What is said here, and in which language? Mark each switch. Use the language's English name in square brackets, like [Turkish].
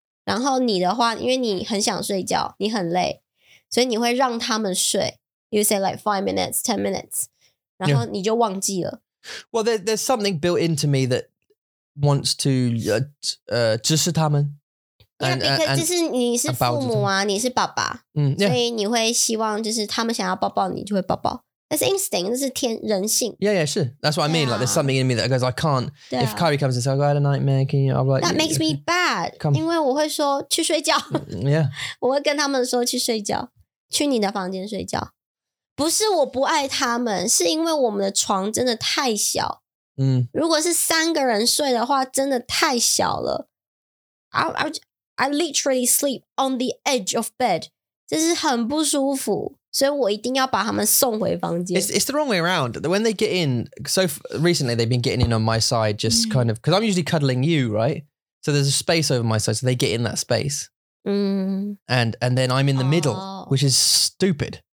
[Chinese] 然后你的话, 因为你很想睡觉, 你很累, 所以你会让他们睡, [English] you say like 5 minutes, 10 minutes, [Chinese] 然后你就忘记了。 [English] Well, there's something built into me that wants to [Chinese] 支持他们。因为你是父母啊, 你是爸爸, 所以你会希望就是他们想要抱抱你就会抱抱。 [English] It's instinct, this is [Chinese] 天人性. [English] Yeah, yeah, sure. That's what I mean. Like there's something in me that goes, I can't. If Kyrie comes and says, I had a nightmare, can you? I'm like, that makes me bad. Come. [Chinese] 因为我会说去睡觉。 [English] Yeah. [Chinese] 我会跟他们说去睡觉。去你的房间睡觉。不是我不爱他们,是因为我们的床真的太小。如果是三个人睡的话,真的太小了。 [English] I literally sleep on the edge of bed. [Chinese] 这是很不舒服。 [English] It's the wrong way around. When they get in, so recently they've been getting in on my side, just kind of, because I'm usually cuddling you, right? So there's a space over my side, so they get in that space. And then I'm in the middle, which is stupid.